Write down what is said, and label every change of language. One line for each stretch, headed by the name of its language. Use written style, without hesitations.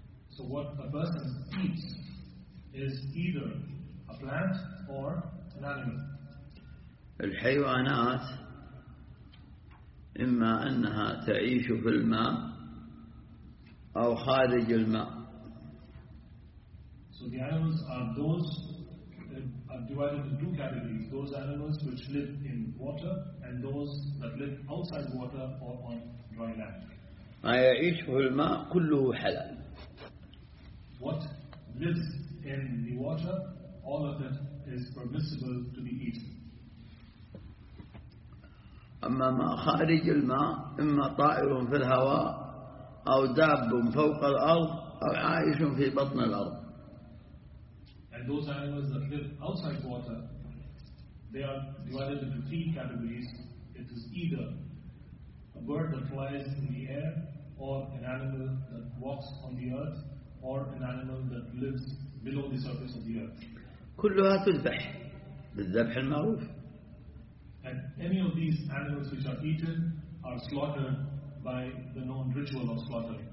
English: So what a person eats is either a plant or an animal.
Arabic: الحيوانات إما أنها تعيش في الماء أو خارج الماء.
English: So the animals are those divided into two categories, those animals which live in water and those that live outside water or on dry land.
Arabic: ما يعيش في الماء كله حلال.
English: What lives in the water, all of it is permissible to be eaten.
Arabic: أما ما خارج الماء إما طائر في الهواء أو داب فوق الأرض أو عايش في بطن الأرض.
English: And those animals that live outside water, they are divided into three categories. It is either a bird that flies in the air, or an animal that walks on the earth, or an animal that lives below the surface of the earth.
Arabic: كلها تذبح بالذبح المعروف.
English: that any of these animals which are eaten are slaughtered by the known ritual of slaughtering.